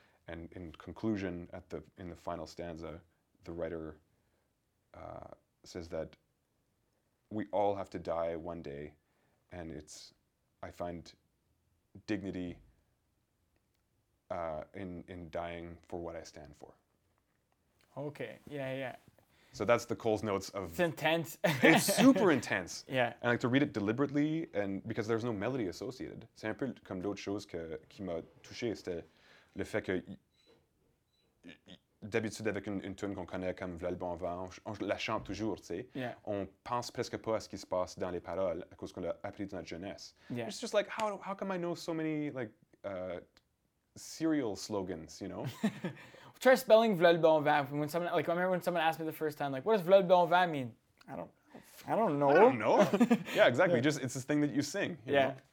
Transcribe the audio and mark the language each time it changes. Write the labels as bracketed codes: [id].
[en] And in conclusion, in the final stanza, the writer says that we all have to die one day, and I find dignity in dying for what I stand for. Okay, yeah. So that's the Cole's notes of... It's intense. It's super intense. Yeah. And I like to read it deliberately, and because there's no melody associated. [fr] C'est un peu comme d'autres choses qui m'a touché. C'était le fait que... D'habitude, avec une tune qu'on connaît comme V'là le bon vent, on la chante toujours, tu sais. [en] Yeah. [fr] On pense presque pas à ce qui se passe dans les paroles à cause qu'on l'a appris dans notre jeunesse. [en] Yeah. It's just like, how come I know so many, like, serial slogans, you know? Try spelling V'là le bon vin. When someone, like, I remember when someone asked me the first time, like, what does V'là le bon vin mean? I don't know. I don't know. Yeah, exactly. Yeah. Just, it's this thing that you sing. You yeah.